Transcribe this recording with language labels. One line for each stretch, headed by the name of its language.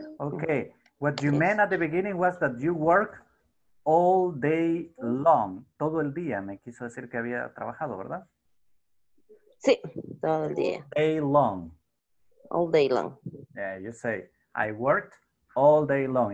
English: Okay, what you meant at the beginning was that you work all day long.
Spanish: Todo el día, me quiso decir que había trabajado, ¿verdad? Sí, todo el día.
English: All day long. Yeah, you say, I worked all day long.